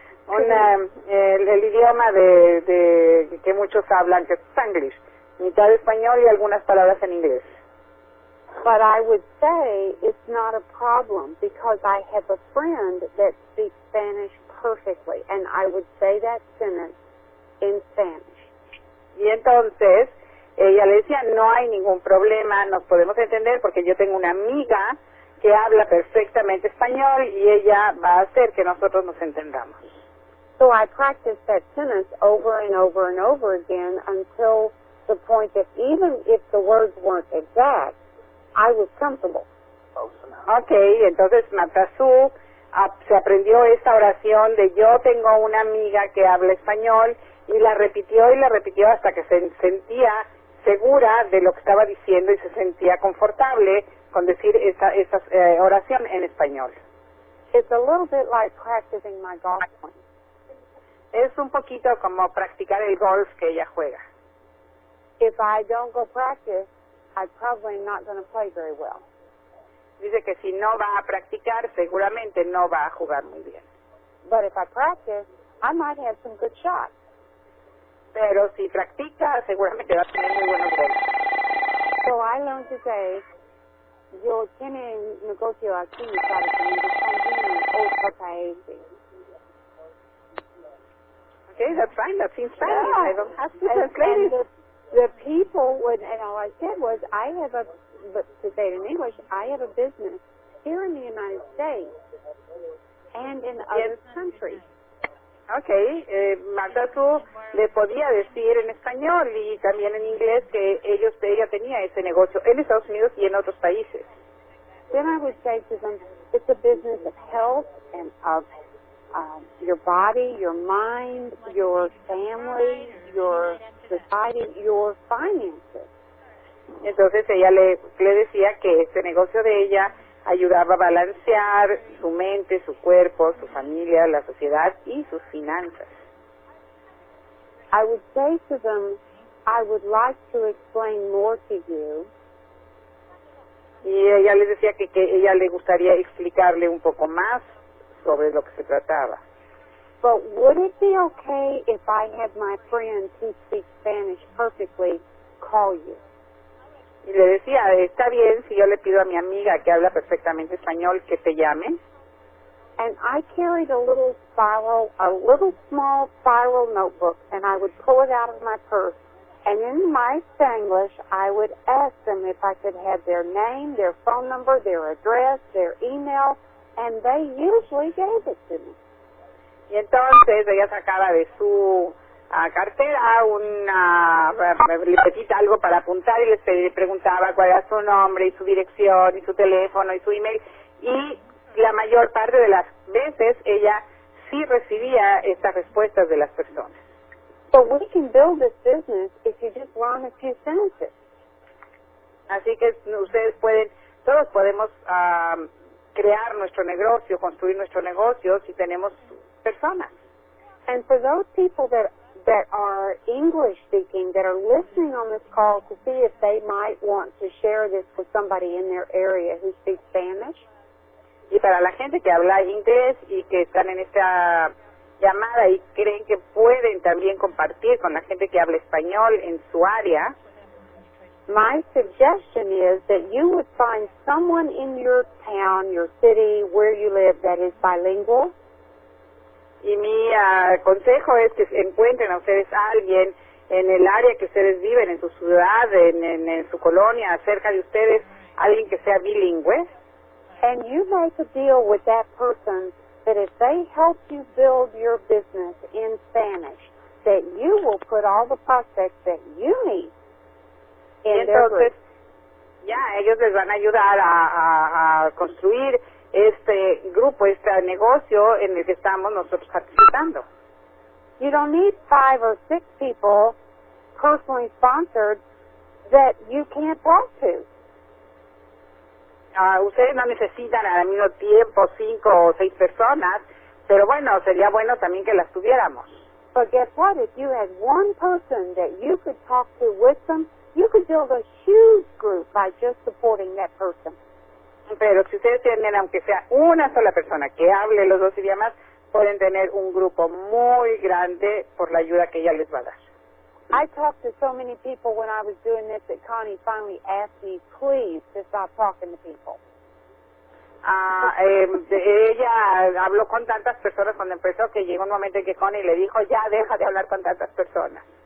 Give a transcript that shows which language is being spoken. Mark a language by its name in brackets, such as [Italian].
[Spanish] Una, el idioma de que muchos hablan, que es Spanglish, mitad español y algunas palabras en inglés. [English] But I would say it's not a problem because I have a friend that speaks Spanish perfectly, and I would say that sentence in Spanish. [Spanish] Y entonces, ella le decía, no hay ningún problema, nos podemos entender porque yo tengo una amiga que habla perfectamente español y ella va a hacer que nosotros nos entendamos. [English] So I practiced that sentence over and over and over again until the point that even if the words weren't exact, I was comfortable. [Spanish] Okay, entonces Marta Sue se aprendió esta oración de yo tengo una amiga que habla español y la repitió hasta que se sentía segura de lo que estaba diciendo y se sentía confortable con decir esta oración en español. [English] It's a little bit like practicing my golf swing. [Spanish] Es un poquito como practicar el golf que ella juega. [English] If I don't go practice, I'm probably not going to play very well. [Spanish] Dice que si no va a practicar, seguramente no va a jugar muy bien. [English] But if I practice, I might have some good shots. [Spanish] Pero si practica, seguramente va a tener muy buenos golpes. [English] So I learned to say, [Spanish] yo tiene negocio aquí, para que me desconviene otra vez. [English] Okay, that's fine. That seems fine. Yeah. I don't have to explain it. The people would, and all I said was, I have a, to say it in English, I have a business here in the United States and in other countries. [Spanish] Okay, Marta, tú le podía decir en español y también en inglés que ella tenía ese negocio en Estados Unidos y en otros países. [English] Then I would say to them, it's a business of health and of your body, your mind, your family, your society, your finances. [Spanish] Entonces ella le decía que este negocio de ella ayudaba a balancear su mente, su cuerpo, su familia, la sociedad y sus finanzas. [English] I would say to them, I would like to explain more to you. [Spanish] Y ella le decía que ella le gustaría explicarle un poco más sobre lo que se trataba. [English] But would it be okay if I had my friend who speaks Spanish perfectly call you? [Spanish] Y le decía, está bien si yo le pido a mi amiga que habla perfectamente español que te llame. [English] And I carried a little small spiral notebook, and I would pull it out of my purse, and in my Spanglish, I would ask them if I could have their name, their phone number, their address, their email, and they usually gave it to me. [Spanish] Y entonces ella sacaba de su cartera una libretita, algo para apuntar, y les preguntaba cuál era su nombre y su dirección y su teléfono y su email. Y la mayor parte de las veces ella sí recibía estas respuestas de las personas. [English] But we can build this business if you just learn a few sentences. [Spanish] Así que ustedes pueden, todos podemos crear nuestro negocio, construir nuestro negocio si tenemos personas. [English] And for those people that are English speaking, that are listening on this call to see if they might want to share this with somebody in their area who speaks Spanish. [Spanish] Y para la gente que habla inglés y que están en esta llamada y creen que pueden también compartir con la gente que habla español en su área. [English] My suggestion is that you would find someone in your town, your city, where you live that is bilingual. [Spanish] Y mi consejo es que encuentren a ustedes alguien en el área que ustedes viven, en su ciudad, en su colonia, cerca de ustedes, alguien que sea bilingüe. [English] And you make a deal with that person that if they help you build your business in Spanish, that you will put all the prospects that you need in their group. [Spanish] Entonces, ya, ellos les van a ayudar a construir este grupo, este negocio en el que estamos nosotros participando. [English] You don't need 5 or 6 people personally sponsored that you can't talk to. [Spanish] Ustedes no necesitan al mismo tiempo 5 o 6 personas, pero bueno, sería bueno también que las tuviéramos. [English] But guess what? If you had one person that you could talk to with them, you could build a huge group by just supporting that person. [Spanish] Pero si ustedes tienen, aunque sea una sola persona que hable los dos idiomas, pueden tener un grupo muy grande por la ayuda que ella les va a dar. [English] I talked to so many people when I was doing this that Connie finally asked me, please, to stop talking to people. [Spanish] Ella habló con tantas personas cuando empezó que llegó un momento en que Connie le dijo, ya deja de hablar con tantas personas.